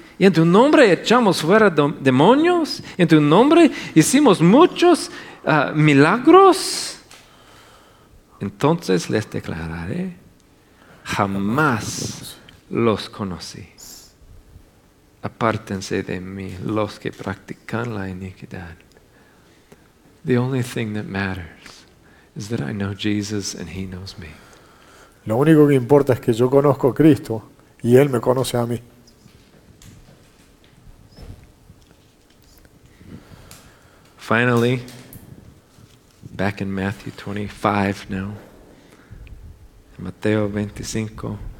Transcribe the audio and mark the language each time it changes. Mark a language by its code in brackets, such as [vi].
[es] ¿Y en tu nombre echamos fuera demonios? ¿En tu nombre hicimos muchos milagros? Entonces les declararé, jamás los conocí. Apártense de mí, los que practican la iniquidad. [en] The only thing that matters is that I know Jesus and He knows me. [es] Lo único que importa es que yo conozco a Cristo y Él me conoce a mí. [en] Finally, back in Matthew 25 now, Mateo 25.